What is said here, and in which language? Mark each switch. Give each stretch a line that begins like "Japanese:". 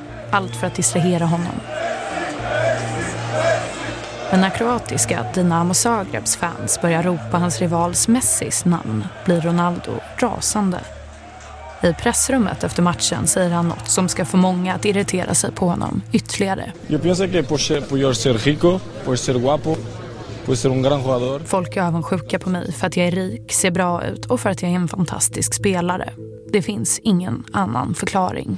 Swedish: Allt för att distrahera honom. Men när kroatiska Dinamo Zagrebs fans börjar ropa hans rivals Messis namn blir Ronaldo rasande. I pressrummet efter matchen säger han något som ska få många att irritera sig på honom ytterligare.
Spanish: Yo pienso que por ser rico, por ser guapo, por ser un gran jugador.
Swedish: Folk är avundsjuka på mig för att jag är rik, ser bra ut och för att jag är en fantastisk spelare. Det finns ingen annan förklaring.